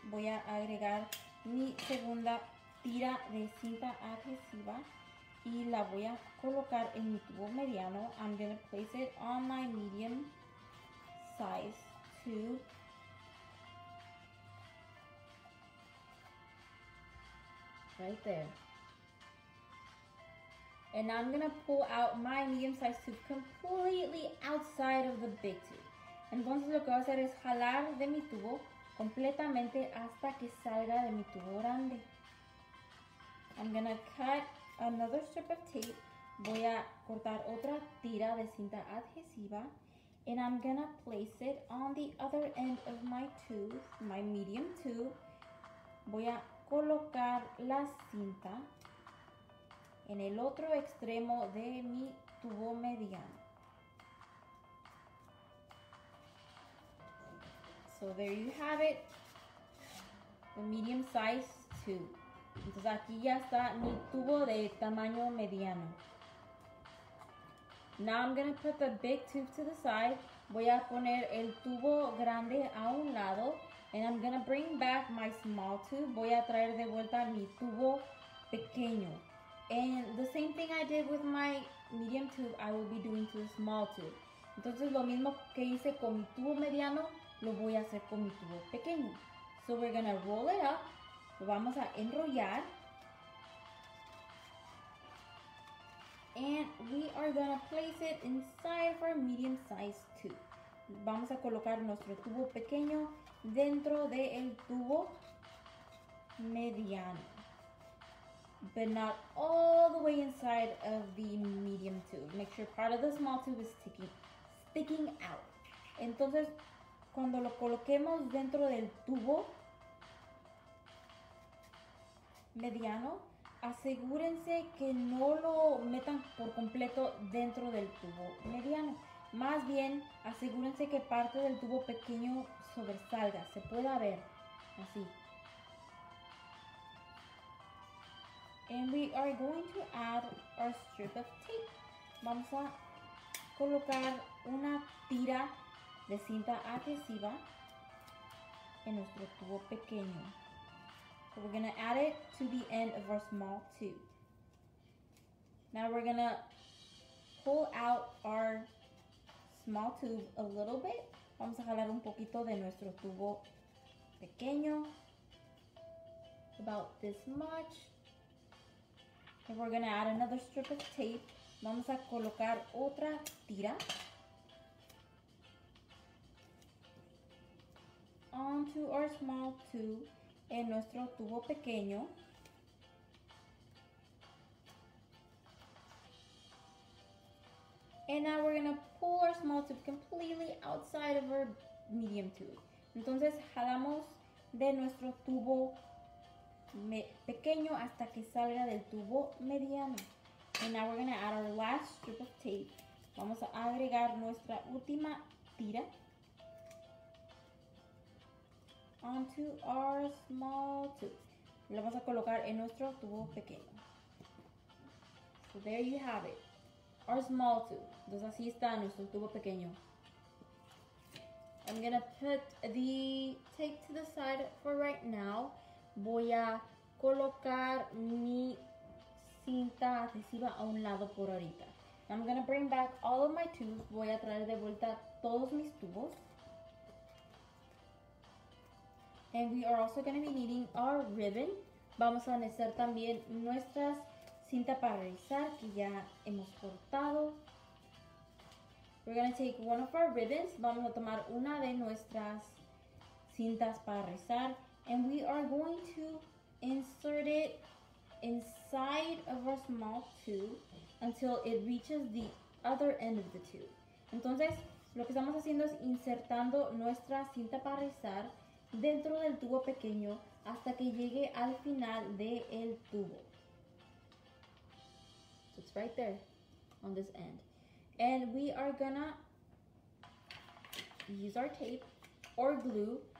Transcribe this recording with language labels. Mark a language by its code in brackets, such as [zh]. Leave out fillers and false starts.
[es] Voy a agregar mi segunda tira de cinta adhesiva y la voy a colocar en mi tubo mediano. [en] I'm gonna place it on my medium size tube. Right there. And I'm gonna pull out my medium size tube completely outside of the big tube. [es] Entonces lo que voy a hacer es jalar de mi tubo completamente hasta que salga de mi tubo grande. [en] I'm gonna cut another strip of tape. [es] Voy a cortar otra tira de cinta adhesiva. [en] And I'm gonna place it on the other end of my tube, my medium tube. [es] Voy a colocar la cinta en el otro extremo de mi tubo mediano. [en] So there you have it, the medium size tube. [es] Entonces aquí ya está mi tubo de tamaño mediano. [en] Now I'm gonna put the big tube to the side. [es] Voy a poner el tubo grande a un lado. [en] And I'm gonna bring back my small tube. [es] Voy a traer de vuelta mi tubo pequeño. [en] And the same thing I did with my medium tube, I will be doing to the small tube. [es] Entonces, lo mismo que hice con mi tubo mediano, lo voy a hacer con mi tubo pequeño. [en] So we're gonna roll it up. [es] Lo vamos a enrollar. [en] And we are gonna place it inside of our medium size tube. [es] Vamos a colocar nuestro tubo pequeño dentro de el tubo mediano. [en] But not all the way inside of the medium tube. Make sure part of the small tube is sticking out. [es] Entonces, cuando lo coloquemos dentro del tubo mediano, asegúrense que no lo metan por completo dentro del tubo mediano. Más bien, asegúrense que parte del tubo pequeño sobresalga, se pueda ver así. [en] And we are going to add our strip of tape. [es] Vamos a colocar una tira de cinta adhesiva en nuestro tubo pequeño. [en] So we're gonna add it to the end of our small tube. Now we're gonna pull out our small tube a little bit. [es] Vamos a jalar un poquito de nuestro tubo pequeño. [en] About this much. And we're gonna add another strip of tape. [es] Vamos a colocar otra tira [en] onto our small tube [es] en nuestro tubo pequeño. [en] And now we're gonna pull our small tube completely outside of our medium tube. [es] Entonces jalamos de nuestro tubo pequeño hasta que salga del tubo mediano. [en] And now we're gonna add our last strip of tape. [es] Vamos a agregar nuestra última tira onto our small tube. Lo vamos a colocar en nuestro tubo pequeño. [en] So there you have it. Our small tube. [es] Entonces así está nuestro tubo pequeño. [en] I'm gonna put the tape to the side for right now. [es] Voy a colocar mi cinta adhesiva a un lado por ahorita. [en] I'm gonna bring back all of my tubes. [es] Voy a traer de vuelta todos mis tubos. [en] And we are also gonna be needing our ribbon. [es] Vamos a necesitar también nuestras cinta para rizar que ya hemos cortado. [en] We're gonna take one of our ribbons. [es] Vamos a tomar una de nuestras cintas para rizar. [en] And we are going to insert it inside of our small tube until it reaches the other end of the tube. [es] Entonces, lo que estamos haciendo es insertando nuestra cinta para rizar dentro del tubo pequeño hasta que llegue al final del tubo. [en] So it's right there on this end. And we are gonna use our tape or glue.